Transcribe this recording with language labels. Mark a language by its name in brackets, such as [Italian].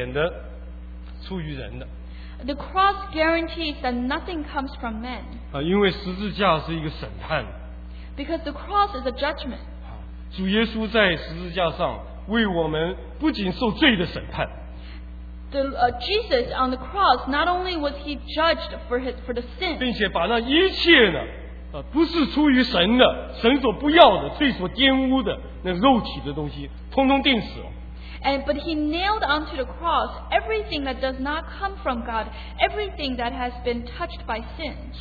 [Chinese] 十字架在我们身上做什么事？担保不再有自己的一点的出于人的。 [English] The cross guarantees that nothing comes from men. [Chinese] 因为十字架是一个审判。 [English] Because the cross is a judgment. [Chinese] 主耶稣在十字架上为我们不仅受罪的审判。 [English] Jesus on the cross, not only was he judged for the sin. [Chinese] 并且把那一切呢，不是出于神的，神所不要的，罪所玷污的那肉体的东西，通通钉死了。 [English] But he nailed onto the cross everything that does not come from God, everything that has been touched by sin.